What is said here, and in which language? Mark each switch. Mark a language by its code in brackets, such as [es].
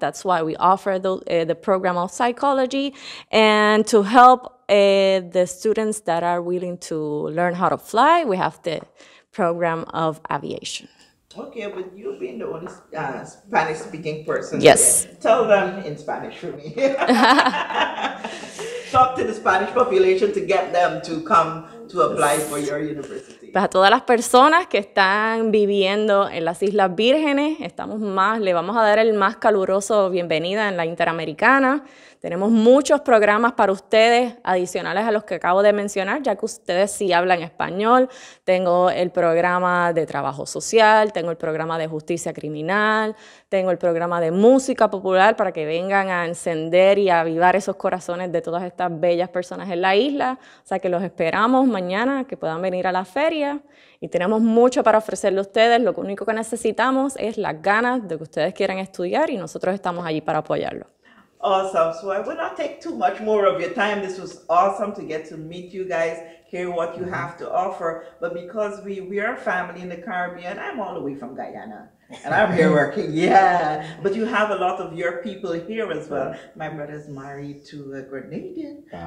[en] That's why we offer the program of psychology, and to help the students that are willing to learn how to fly, we have the program of aviation. Okay, but you being the only Spanish-speaking person, yes, today, tell them in Spanish for me. Talk to the Spanish population to get them to come to apply for your university. [es] Pues a todas las personas que están viviendo en las Islas Vírgenes, estamos más, le vamos a dar el más caluroso bienvenida en la Interamericana. Tenemos muchos programas para ustedes, adicionales a los que acabo de mencionar, ya que ustedes sí hablan español. Tengo el programa de trabajo social, tengo el programa de justicia criminal, tengo el programa de música popular para que vengan a encender y avivar esos corazones de todas estas bellas personas en la isla. O sea que los esperamos mañana, que puedan venir a la feria. Y tenemos mucho para ofrecerle a ustedes. Lo único que necesitamos es las ganas de que ustedes quieran estudiar y nosotros estamos allí para apoyarlo. [en] Awesome. So I will not take too much more of your time. This was awesome to get to meet you guys, hear what you have to offer. But because we are family in the Caribbean, I'm all the way from Guyana. And I'm here working. Yeah. But you have a lot of your people here as well. My brother's married to a Grenadian.